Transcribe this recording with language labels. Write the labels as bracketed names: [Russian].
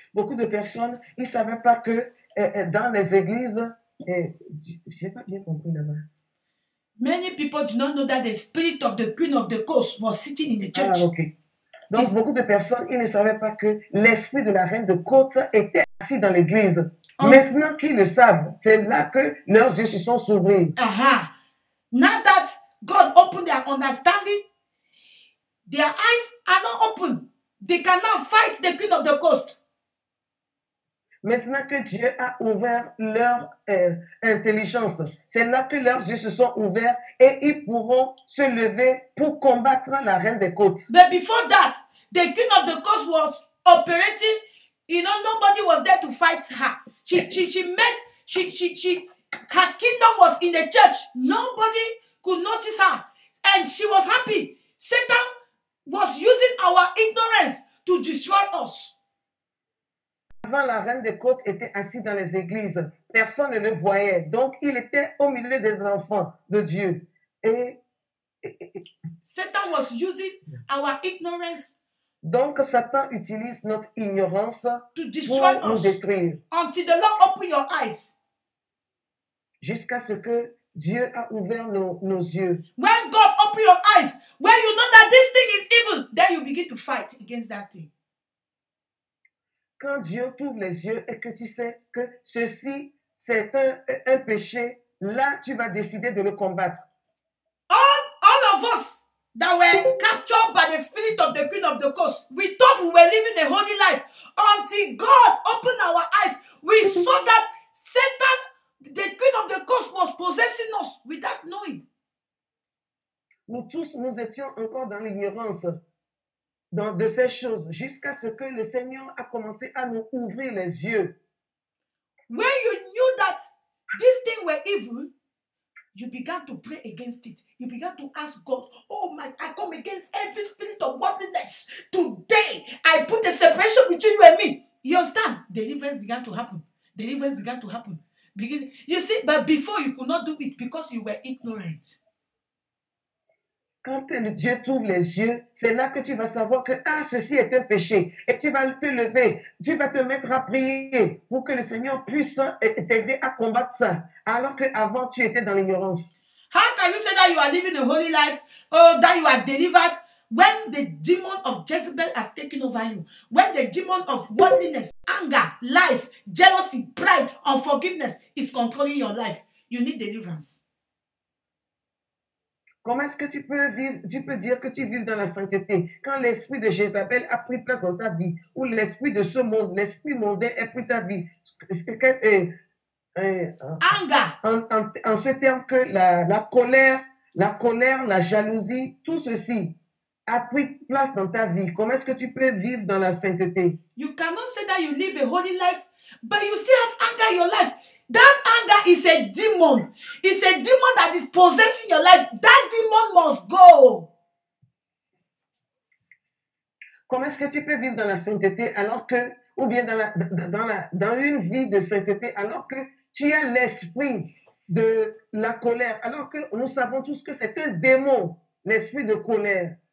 [French] Beaucoup de personnes, ils ne savaient pas que dans les églises, je n'ai pas bien compris là-bas. [English] Many people do not know that the spirit of the queen of the coast was sitting in the church. Ah, okay. [French] Donc, beaucoup de personnes, ils ne savaient pas que l'esprit de la reine de côte était assis dans l'église. Maintenant qu'ils le savent, c'est là que leurs yeux se sont ouverts. Aha. [English] Now that God opened their understanding, their eyes are not open. They cannot fight the queen of the coast. [French] Maintenant que Dieu a ouvert leur intelligence, c'est là que leurs yeux se sont ouverts et ils pourront se lever pour combattre la reine des côtes. [English] But before that, the queen of the coast was operating. You know, nobody was there to fight her. Her kingdom was in the church. Nobody could notice her. And she was happy. Satan was using our ignorance to destroy us. [French] Avant, la reine des côtes était assise dans les églises. Personne ne le voyait. Donc, il était au milieu des enfants de Dieu. [English] Satan was using our ignorance. [French] Donc, Satan utilise notre ignorance [English] to [French] pour [English] us [French] nous détruire. [English] Until the Lord open your eyes. [French] Jusqu'à ce que Dieu a ouvert nos yeux. [English] When God open your eyes, when you know that this thing is evil, then you begin to fight against that thing. [French] Quand Dieu t'ouvre les yeux et que tu sais que ceci, c'est un péché, là, tu vas décider de le combattre. [English] All of us that were captured by the spirit of the queen of the coast, we thought we were living a holy life. Until God opened our eyes, we saw that Satan, the queen of the coast, was possessing us without knowing. [French] Nous tous, nous étions encore dans l'ignorance. Dans de ces choses, jusqu'à ce que le Seigneur a commencé à nous ouvrir les yeux. [English] When you knew that these things were evil, you began to pray against it. You began to ask God, oh my, I come against every spirit of worldliness. Today, I put a separation between you and me. You understand? Deliverance began to happen. Deliverance began to happen. You see, but before you could not do it because you were ignorant. [French] Quand Dieu t'ouvre les yeux, c'est là que tu vas savoir que ah, ceci est un péché. Et tu vas te lever, tu vas te mettre à prier pour que le Seigneur puisse t'aider à combattre ça. Alors qu'avant, tu étais dans l'ignorance. [English] How can you say that you are living a holy life, or that you are delivered, when the demon of Jezebel has taken over you? When the demon of worldliness, anger, lies, jealousy, pride, unforgiveness is controlling your life? You need deliverance. [French] Comment est-ce que tu peux vivre, tu peux dire que tu vis dans la sainteté quand l'esprit de Jézabel a pris place dans ta vie ou l'esprit de ce monde, l'esprit mondain a pris ta vie? [English] Anger. [French] En ce terme que la colère, la jalousie, tout ceci a pris place dans ta vie. Comment est-ce que tu peux vivre dans la sainteté? [English] You cannot say that you live a holy life, but you still have anger in your life. That anger is a demon. It's a demon that is possessing your life. That demon must go. [French] Comment est-ce que tu peux vivre dans la sainteté alors que, ou bien dans une vie de sainteté alors que tu as l'esprit de la colère, alors que nous savons tous que c'est un démon, l'esprit de colère.